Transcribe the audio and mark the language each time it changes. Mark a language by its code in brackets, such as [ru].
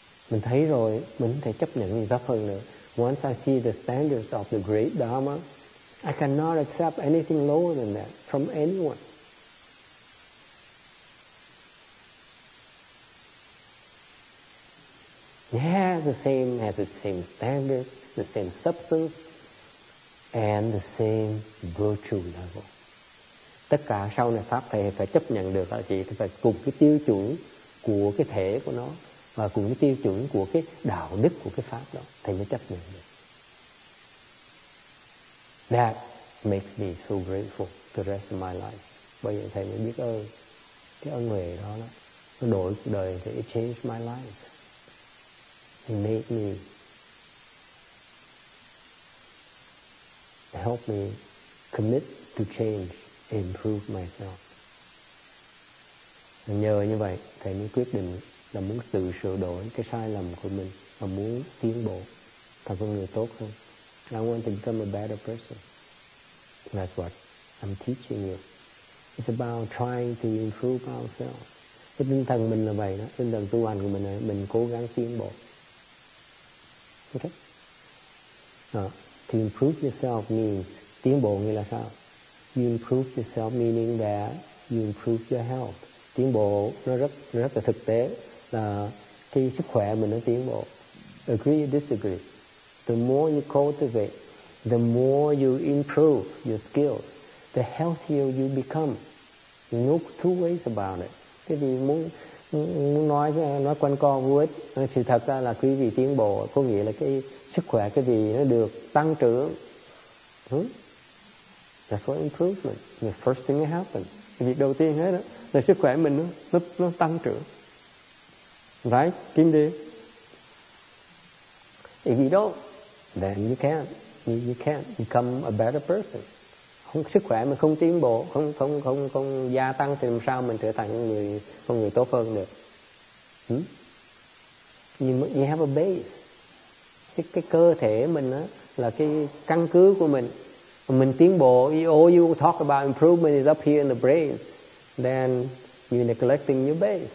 [vi] Mình thấy rồi, mình không thể chấp nhận gì thấp hơn nữa. [en] Once I see the standards of the great Dharma, I cannot accept anything lower than that from anyone. It has the same, has the same standards, the same substance, and the same virtue level. [vi] Tất cả sau này pháp thầy phải chấp nhận được là chỉ phải cùng cái tiêu chuẩn của cái thể của nó và cùng cái tiêu chuẩn của cái đạo đức của cái pháp đó thầy mới chấp nhận được. [en] That makes me so grateful the rest of my life. [vi] Bây giờ thầy mới biết ơn cái ân huệ đó, đó nó đổi cuộc đời thì [en] it changed my life. It made me, helped me commit to change, improve myself. [vi] Và nhờ như vậy, thầy mới quyết định là muốn tự sửa đổi cái sai lầm của mình và muốn tiến bộ thành con người tốt hơn. [en] I want to become a better person. That's what I'm teaching you. It's about trying to improve ourselves. [vi] Cái tinh thần mình là vậy đó, tinh thần tu hành của mình là mình cố gắng tiến bộ. Okay. [en] To improve yourself means [vi] tiến bộ nghĩa là sao? [en] You improve yourself meaning that you improve your health. [vi] Tiến bộ nó rất là thực tế là khi sức khỏe mình nó tiến bộ. [en] Agree or disagree? The more you cultivate, the more you improve your skills, the healthier you become. No two ways about it. [vi] Cái gì muốn nói quanh co vô ích. Sự thật ra là quý vị tiến bộ có nghĩa là cái sức khỏe cái gì nó được tăng trưởng. [en] That's what improvement. The first thing that happened. [vi] Việc đầu tiên hết đó là sức khỏe mình nó tăng trưởng. [en] Right? Kim đi. If you don't, then you can't. You can't become a better person. [vi] Không, sức khỏe mà không tiến bộ, không gia tăng thì làm sao mình trở thành con người tốt hơn được? [en] You have a base. [vi] Cái cơ thể mình á là cái căn cứ của mình. Mình tiến bộ, [en] all you talk about improvement is up here in the brain, then you neglecting your base.